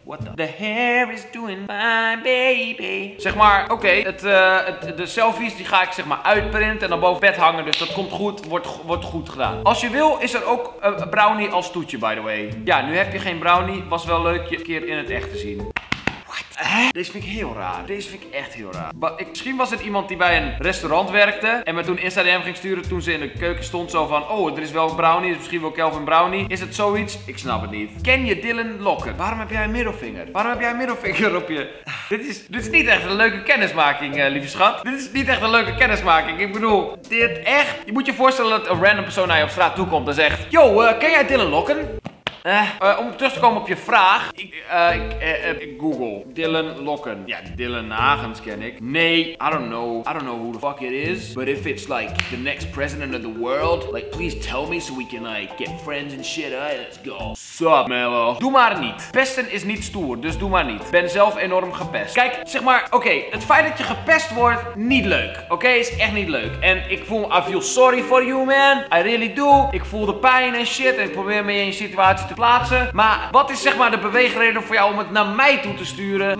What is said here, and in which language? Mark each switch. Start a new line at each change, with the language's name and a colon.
English: What the hair is doing my baby.
Dutch: Zeg maar, oké, de selfies die ga ik zeg maar uitprinten en dan boven bed hangen. Dus dat komt goed, wordt goed gedaan. Als je wil is er ook een brownie als toetje,
English: by the way.
Dutch: Ja, nu heb je geen brownie. Was wel leuk je een keer in het echt te zien. Hè? Deze vind ik heel raar. Deze vind ik echt heel raar. Misschien was het iemand die bij een restaurant werkte. En me toen Instagram ging sturen toen ze in de keuken stond. Zo van, oh, er is wel een brownie. Dus misschien wil Kelvin brownie. Is het zoiets? Ik snap het niet. Ken je Dylan Lokker? Waarom heb jij een middelvinger? Waarom heb jij een middelvinger op je? Dit is niet echt een leuke kennismaking, lieve schat. Dit is niet echt een leuke kennismaking. Ik bedoel, dit echt. Je moet je voorstellen dat een random persoon naar je op straat toekomt en zegt. Yo, ken jij Dylan Lokker? Om terug te komen op je vraag, ik Google Dylan Lokken. Ja, Dylan Nagens ken ik.
English: Nee, I don't know who the fuck it is. But if it's like the next president of the world, like please tell me so we can like get friends and shit. Alright, let's go.
Dutch: Sup, Melo. Doe maar niet. Pesten is niet stoer, dus doe maar niet. Ben zelf enorm gepest. Kijk, zeg maar, oké, het feit dat je gepest wordt, niet leuk. Oké, is echt niet leuk. En ik voel,
English: I feel sorry for you, man. I really do.
Dutch: Ik voel de pijn en shit en ik probeer me in je situatie te plaatsen, maar wat is zeg maar de beweegreden voor jou om het naar mij toe te sturen?